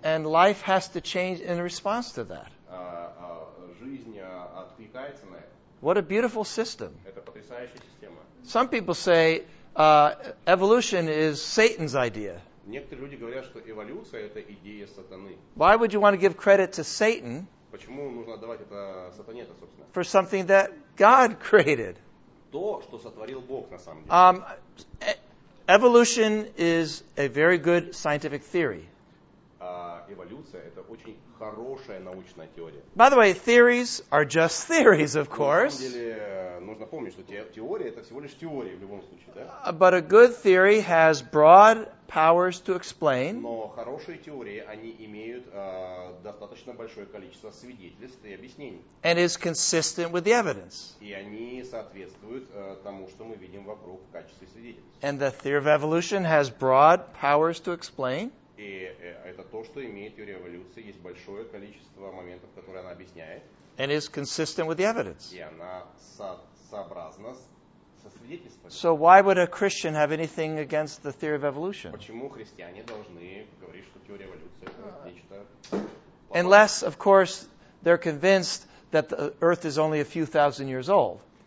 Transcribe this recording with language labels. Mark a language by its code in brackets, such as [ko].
[en] and life has to change in response to that. [ru] Жизнь откликается на это. [en] What a beautiful system. [ru] Это потрясающая система. [en] Some people say evolution is Satan's idea. [ru] Некоторые люди говорят, что эволюция это идея сатаны. [en] Why would you want to give credit to Satan? [ru] Почему нужно отдавать это сатане-то, собственно? [en] For something that God created. [ru] То, что сотворил Бог на самом деле. [en] Evolution is a very good scientific theory. [ru] Эволюция это очень хорошая научная теория. [en] By the way, theories are just theories, of course. [ru] На самом деле, нужно помнить, что теория это всего лишь теория в любом случае, да? [en] But a good theory has broad powers to explain. [ru] Но хорошие теории, они имеют достаточно большое количество свидетельств и объяснений. [en] And is consistent with the evidence. [ru] И они соответствуют тому, что мы видим вокруг в качестве свидетельств. [en] And the theory of evolution has broad powers to explain. [ru] И это то, что имеет теория эволюции, есть большое количество моментов, которые она объясняет. [en] And is consistent with the evidence. [ru] И она сообразна с свидетельствами. [en] So why would a Christian have anything against the theory of evolution? [ru] Почему христиане должны говорить, что теория эволюции это нечто? [en] Unless, of course, they're convinced that the earth is only a few thousand years old.